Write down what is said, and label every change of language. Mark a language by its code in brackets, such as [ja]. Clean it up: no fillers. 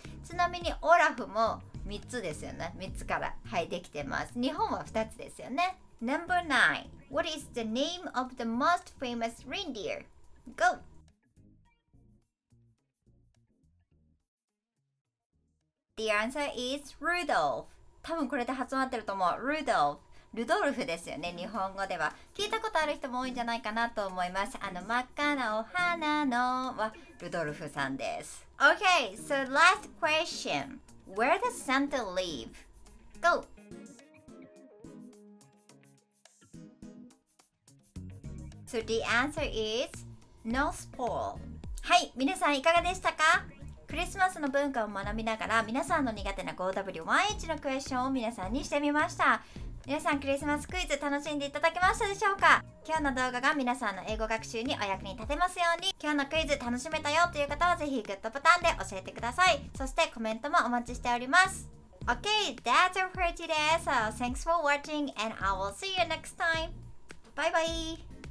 [ja] ちなみにオラフも3つですよね。3つから、はい、できてます。日本は2つですよね。 [en] Number 9. What is the name of the most famous reindeer? Go! The answer is Rudolph. [ja] 多分これで発音合ってると思う。 [en] Rudolph。 [ja] ルドルフですよね、日本語では。聞いたことある人も多いんじゃないかなと思います。あの、真っ赤なお花のはルドルフさんです。 [en] Okay, so last question. Where does Santa live? Go! So the answer is North Pole. [ja] はい、皆さんいかがでしたか？クリスマスの文化を学びながら皆さんの苦手な 5W1H のクエスチョンを皆さんにしてみました。皆さんクリスマスクイズ楽しんでいただけましたでしょうか？今日の動画が皆さんの英語学習にお役に立てますように、今日のクイズ楽しめたよという方はぜひグッドボタンで教えてください。そしてコメントもお待ちしております。 [en] OK, that's it for today. So thanks for watching and I will see you next time. Bye bye.